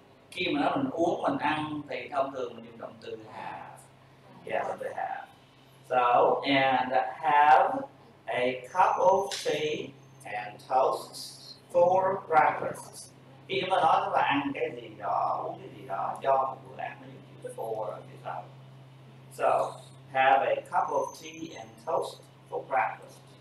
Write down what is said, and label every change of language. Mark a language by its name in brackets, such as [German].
[Vietnamese] Khi mà nói mình uống, mình ăn thì thông thường mình dùng động từ have. Yeah, động từ have. [English] So, and have a cup of tea and toast for breakfast. [Vietnamese] Khi chúng ta nói các bạn ăn cái gì đó, uống cái gì đó do một bữa ăn nó dùng chữ before rồi chữ sau. [English] So, have a cup of tea and toast for breakfast.